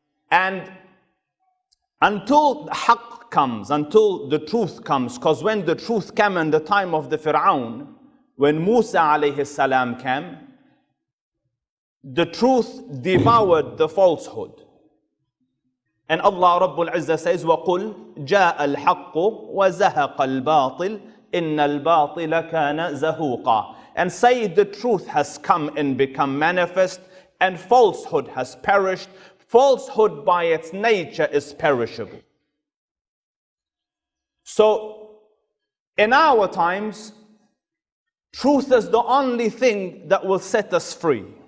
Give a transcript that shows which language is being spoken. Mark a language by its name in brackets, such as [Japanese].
[English] And until the haqq comes, until the truth comes, because when the truth came in the time of the Fir'aun, when Musa alayhi salam came, the truth devoured the falsehood. And Allah Rabbul Izzah says, [Arabic] وَقُلْ جَاءَ الْحَقُّ وَزَهَقَ الْبَاطِلِ إِنَّ الْبَاطِلَ كَانَ زَهُوقًا. [English] And say, the truth has come and become manifest, and falsehood has perished. Falsehood by its nature is perishable. So, in our times, truth is the only thing that will set us free.